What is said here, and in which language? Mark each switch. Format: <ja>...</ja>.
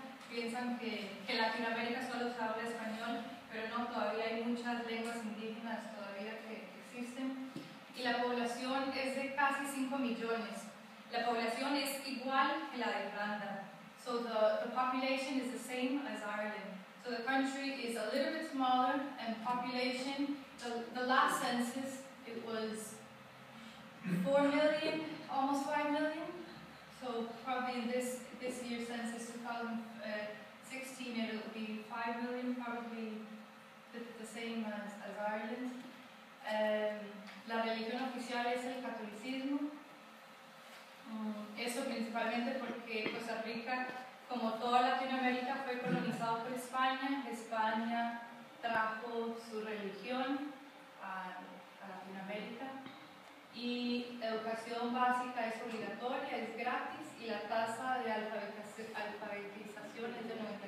<es>piensan que Latinoamérica solo se habla español, pero no, todavía hay muchas lenguas indígenas todavía que existen. Y la población es de casi 5 millones. La población es igual que la de Irlanda.</es> <en>So the population is the same as Ireland. So the country is a little bit smaller, and population, the last census, it was 4 million, almost 5 million. So probably this year's census, 2016, it will be 5 million, probably the same as Ireland.</en> <es>La religión oficial es el catolicismo. Eso principalmente porque Costa Rica, como toda Latinoamérica, fue colonizado por España. España trajo su religión a Latinoamérica. Y educación básica es obligatoria, es gratis, y la tasa de alfabetización es del 94.9%.</es>